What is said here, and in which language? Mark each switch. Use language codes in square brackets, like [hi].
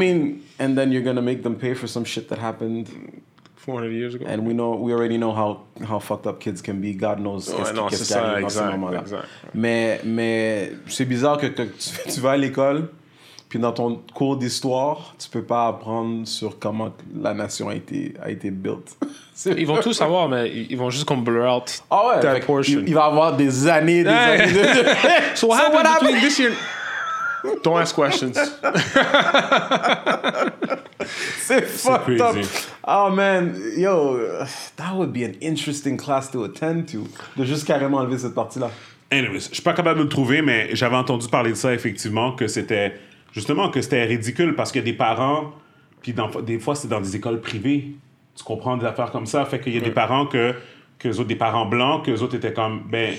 [en] I mean, and then you're gonna make them pay for some shit that happened... 400 years ago. And we already know how fucked up kids can be. God knows [fr] qu'est-ce qui arrive dans ce moment-là. Mais c'est bizarre que tu vas à l'école, puis dans ton cours d'histoire, tu peux pas apprendre sur comment la nation a été built. Ils vont tout savoir, mais ils vont juste comme blur out that portion. Il va avoir des années. [en] So what happened between this year? Don't ask questions. [fr] C'est fucked up. [en] Oh man, yo, that would be an interesting class to attend to. [fr] De juste carrément enlever cette partie-là. Anyways, je suis pas capable de le trouver, mais j'avais entendu parler de ça effectivement, que c'était justement que c'était ridicule parce qu'il y a des parents, puis des fois c'est dans des écoles privées, tu comprends des affaires comme ça, fait qu'il y a des parents que que les autres des parents blancs, que les autres étaient comme, ben,